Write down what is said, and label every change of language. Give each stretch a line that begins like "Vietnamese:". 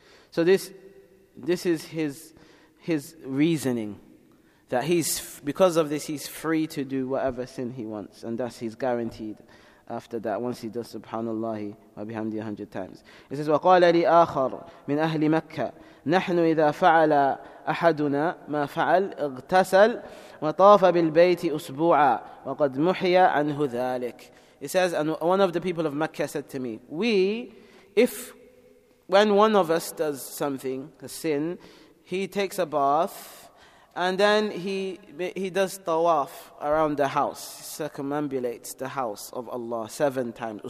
English: So this is his reasoning, that he's, because of this, he's free to do whatever sin he wants, and thus he's guaranteed after that, once he does Subhanallah wa bihamdihi 100 times.
Arabic: It says, وَقَالَ لِي آخر مِنْ أَهْلِ مَكَّةٍ نَحْنُ إِذَا فَعَلَ أحدنا ما فعل اغتسل وطاف بالبيت أسبوعا وقد محي عنه ذلك.
English: He says, and one of the people of Mecca said to me, we, if when one of us does something, a sin, he takes a bath, and then he does tawaf around the house, circumambulates the house of Allah 7 times.